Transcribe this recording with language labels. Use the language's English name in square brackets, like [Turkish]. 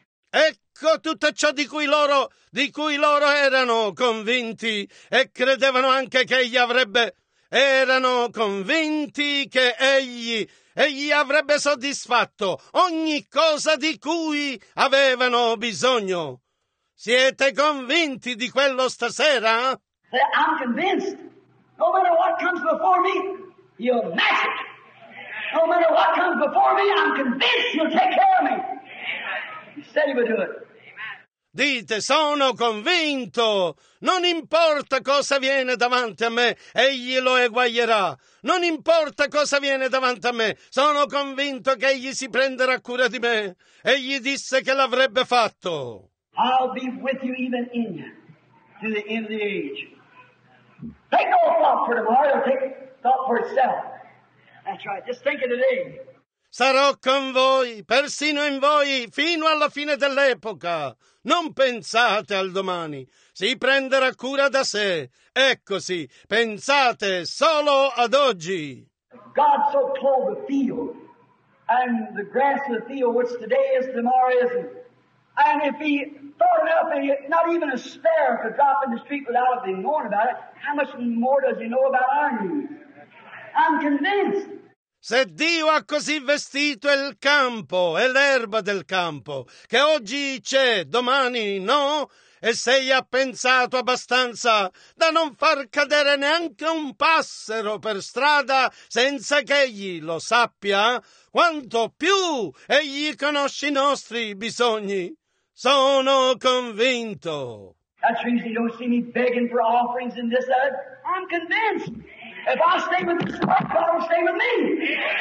[Italian] Ecco tutto ciò di cui loro erano convinti e credevano anche che egli avrebbe. Erano convinti che egli avrebbe soddisfatto ogni cosa di cui avevano bisogno. Siete convinti di quello stasera? [English] I'm convinced. No matter what comes before me, you'll match it. No matter what comes before me, I'm convinced you'll take care of me. You said you would do it. [Italian] Dite, sono convinto. Non importa cosa viene davanti a me, egli lo eguaglierà. Non importa cosa viene davanti a me, sono convinto che egli si prenderà cura di me. Egli disse che l'avrebbe fatto. [English] I'll be with you even in you to the end of the age. Take no thought for tomorrow, take thought for itself. That's right, just think of today. [Italian] Sarò con voi, persino in voi, fino alla fine dell'epoca. Non pensate al domani. Si prenderà cura da sé. È così. Pensate solo ad oggi. [English] God so told the field, and the grass of the field, which today is, tomorrow isn't. And if he thought enough, and not even a sparrow could drop in the street without it being known about it, how much more does he know about our needs? I'm convinced. [Italian] Se Dio ha così vestito il campo e l'erba del campo, che oggi c'è, domani no, e se gli ha pensato abbastanza da non far cadere neanche un passero per strada senza che egli lo sappia, quanto più egli conosce i nostri bisogni. Sono convinto. [English] That's the reason you don't see me begging for offerings in this earth. I'm convinced. If I stay with this world, God will stay with me.